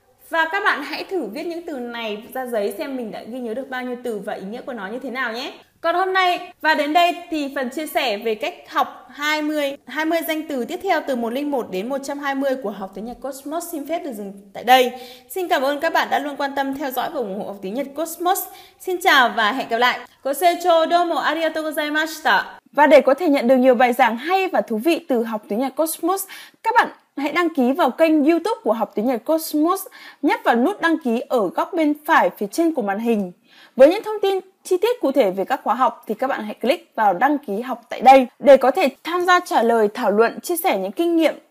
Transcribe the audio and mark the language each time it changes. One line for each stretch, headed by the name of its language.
Vietnamese: Và các bạn hãy thử viết những từ này ra giấy xem mình đã ghi nhớ được bao nhiêu từ và ý nghĩa của nó như thế nào nhé. Còn hôm nay và đến đây thì phần chia sẻ về cách học 20 danh từ tiếp theo từ 101 đến 120 của Học Tiếng Nhật Cosmos xin phép được dừng tại đây. Xin cảm ơn các bạn đã luôn quan tâm theo dõi và ủng hộ Học Tiếng Nhật Cosmos. Xin chào và hẹn gặp lại.
Japanese: ご清聴どうもありがとうございました。
Vietnamese: Và để có thể nhận được nhiều bài giảng hay và thú vị từ Học Tiếng Nhật Cosmos, các bạn hãy đăng ký vào kênh YouTube của Học Tiếng Nhật Cosmos, nhấp vào nút đăng ký ở góc bên phải phía trên của màn hình. Với những thông tin chi tiết cụ thể về các khóa học thì các bạn hãy click vào đăng ký học tại đây để có thể tham gia trả lời, thảo luận, chia sẻ những kinh nghiệm